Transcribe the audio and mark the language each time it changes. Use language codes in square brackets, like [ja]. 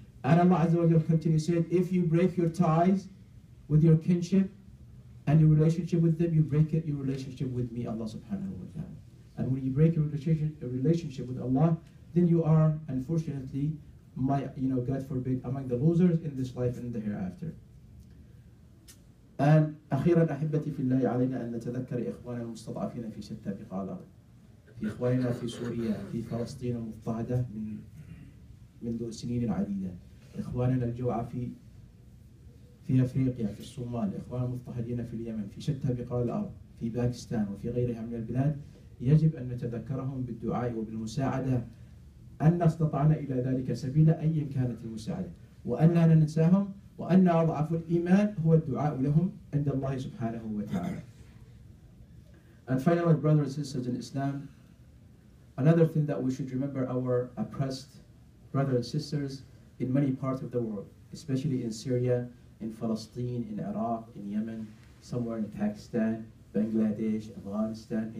[en] And Allah azza wa jalla continues said, if you break your ties with your kinship and your relationship with them, you break your relationship with me, Allah subhanahu wa ta'ala. And when you break your relationship with Allah, then you are, unfortunately, my, you know, God forbid, among the losers in this life and the hereafter. And [ar] أخيرا أحبتي في الله علينا أن نتذكر إخواننا المستضعفين في شتى بقاع الأرض, في إخواننا في سوريا, في فلسطين المضطهدة منذ سنين عديدة, إخواننا الجوعى في أفريقيا, في الصومال, إخواننا المضطهدين في اليمن, في شتى بقاع الأرض, في باكستان وفي غيرها من البلاد, يجب أن نتذكرهم بالدعاء وبالمساعدة, أن استطعنا إلى ذلك سبيلا أيا كانت المساعدة, وأن لا ننساهم, وأن أضعف الإيمان هو الدعاء لهم عند الله سبحانه وتعالى. [en] And finally, brothers and sisters in Islam, another thing that we should remember our oppressed brothers and sisters in many parts of the world, especially in Syria, in Palestine, in Iraq, in Yemen, somewhere in Pakistan, Bangladesh, Afghanistan.